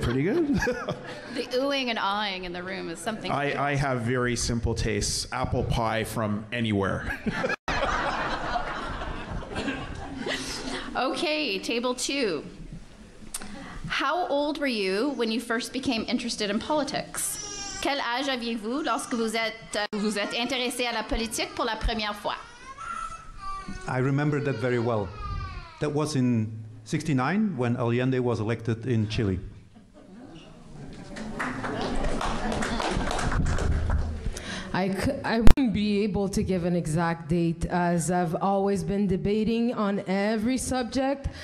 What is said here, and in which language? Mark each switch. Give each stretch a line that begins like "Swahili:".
English: The ooing and aahing in the room is something. I have very simple tastes. Apple pie from anywhere. Okay, table two. How old were you when you first became interested in politics?
French: Quel âge aviez-vous lorsque vous êtes intéressé à la politique pour la première fois?
English: I remember that very well. That was in 69 when Allende was elected in Chile. I wouldn't be able to give an exact date, as I've always been debating on every subject.